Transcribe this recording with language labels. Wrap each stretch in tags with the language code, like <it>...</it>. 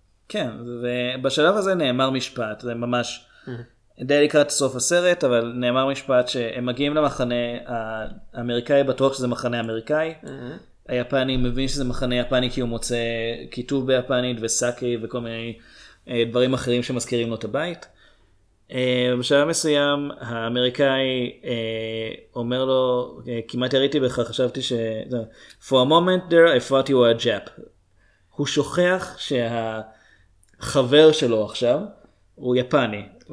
<he>כן, ובשלב הזה נאמר משפט, זה ממש די לקראת סוף הסרט, אבל נאמר משפט שהם מגיעים למחנה האמריקאי, בטוח שזה מחנה אמריקאי, היפני מבין שזה מחנה יפני כי הוא מוצא כיתוב ביפנית וסאקי וכל מיני דברים אחרים שמזכירים לו את הבית. בשלב מסוים האמריקאי אומר לו, כמעט הראיתי בך, חשבתי ש...</he> <en>For a moment there I thought you were a Jap.</en> <he>הוא שוכח שהחבר שלו עכשיו הוא יפני.</he>